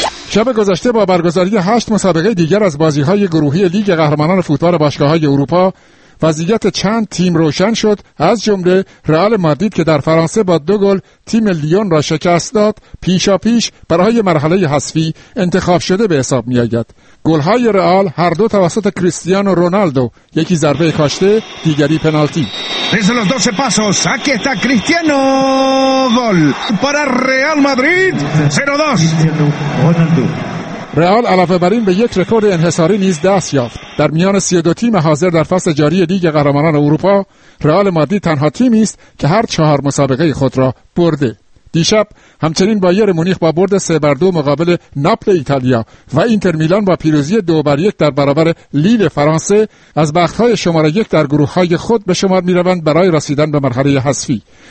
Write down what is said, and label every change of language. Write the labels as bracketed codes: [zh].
[fa] شب گذشته با برگزاری 8 مسابقه دیگر از بازی‌های گروهی لیگ قهرمانان فوتبال باشگاه‌های اروپا وضعیت چند تیم روشن شد، از جمله رئال مادرید که در فرانسه با 2 تیم لیون را شکست داد پیشاپیش برای مرحله حذفی انتخاب شده به حساب می آید. گل های رئال هر دو توسط کریستیانو رونالدو، یکی ضربه کاشته دیگری پنالتی. [es] Desde los 12 pasos, aquí está Cristiano, gol para Real Madrid, 0-2. [fa] رئال علاوه بر این به 1 انحصاری نیز دست یافت. در میان 32 تیم حاضر در فصل جاری لیگ قهرمانان اروپا، رئال مادرید تنها تیمی است که هر 4 مسابقه خود را برده. دیشب همچنین بایر مونیخ با برد 3-2 مقابل ناپل ایتالیا و اینتر میلان با پیروزی 2-1 در برابر لیل فرانسه از بخت‌های شماره 1 در گروه‌های خود به شمار می‌روند برای رسیدن به مرحله حذفی.